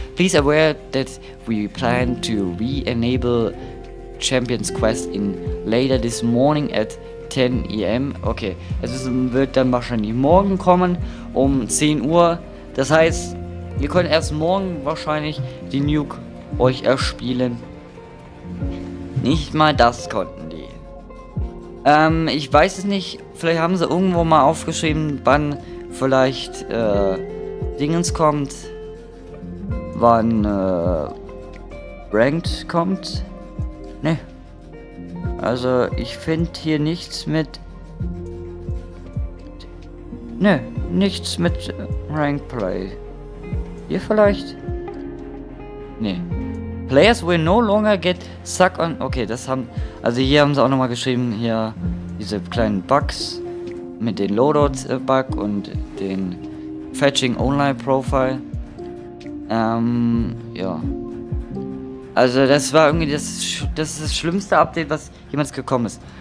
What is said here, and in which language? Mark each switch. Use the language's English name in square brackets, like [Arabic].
[English] Please aware that we plan to re-enable Champions Quest in later this morning at 10 am. [German] Okay, es wird dann wahrscheinlich morgen kommen um 10 Uhr. Das heißt, ihr könnt erst morgen wahrscheinlich die Nuke euch erspielen. Nicht mal das konnten die. Ich weiß es nicht. Vielleicht haben sie irgendwo mal aufgeschrieben, wann vielleicht Dingens kommt. Wann Ranked kommt. Ne. Also, ich finde hier nichts mit. Ne, nichts mit Rankplay. Hier vielleicht? Ne. [English] Players will no longer get stuck on. [German] Okay, das haben. Also, hier haben sie auch nochmal geschrieben: hier diese kleinen Bugs mit den Loadout-Bug und den Fetching Online Profile. Ja. Also das war irgendwie das schlimmste Update, was jemals gekommen ist.